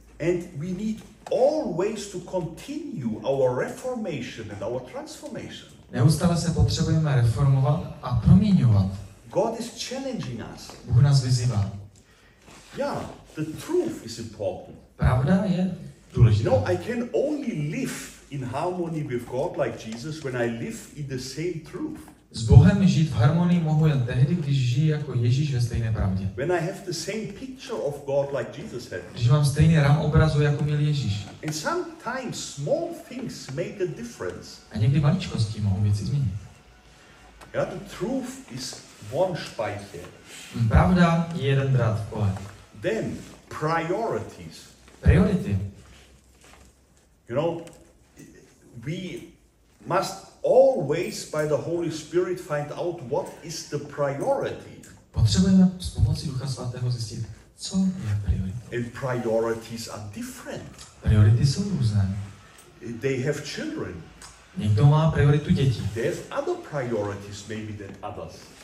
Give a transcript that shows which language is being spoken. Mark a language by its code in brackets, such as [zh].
[en] And we need always to continue our reformation and our transformation. [cs] Neustále se potřebujeme reformovat a proměňovat. [en] God is challenging us. [cs] Bůh nás vyzývá. [en] Yeah, the truth is important. [cs] Pravda je důležitá. [en] No, I can only live in harmony with God like Jesus when I live in the same truth. [cs] S Bohem žít v harmonii mohu jen tehdy, když žiji jako Ježíš ve stejné pravdě. [en] When I have the same picture of God like Jesus had. [cs] Když mám stejný rám obrazu jako měl Ježíš. [en] And sometimes small things make a difference. [cs] A někdy maličkosti mohou věci změnit. [en] Yeah, the truth is one spike. [cs] Pravda je jeden drát v kole. [en] Then priorities. [cs] Priority. [en] You know, we must always by the Holy Spirit find out what is the priority. [cs] Potřebujeme s pomocí Ducha Svatého zjistit, co je priorita. [en] And priorities are different. [cs] Priority jsou různé. [en] They have children. [cs] Někdo má prioritu děti. [en] They have other priorities maybe than others.